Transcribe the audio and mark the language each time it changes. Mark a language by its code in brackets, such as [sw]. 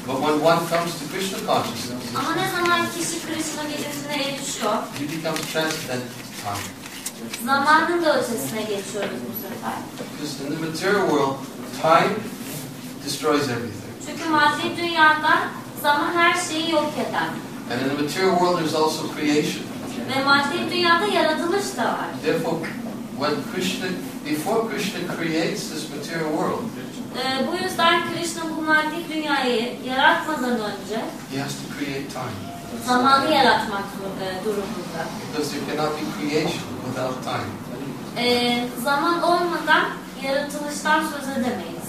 [en] But when one comes to Krishna consciousness. [tr] Ama ne zaman kişi Krishna bilincine erişiyor. [en] He becomes transcendent to time. [tr] Zamanın da ötesine geçiyoruz bu sefer. [en] Because in the material world, time destroys everything. [tr] Çünkü maddi dünyada zaman her şeyi yok eder. [en] And in the material world there's also creation. [tr] Ve maddi dünyada yaratılış da var. [en] Therefore, when Krishna, before Krishna creates this material world, [tr] bu yüzden Krishna bu maddi dünyayı yaratmadan önce, [en] he has to create time. [tr] Zamanı yaratmak durumunda. [en] Because there cannot be creation without time. [tr] Zaman olmadan yaratılıştan söz edemeyiz.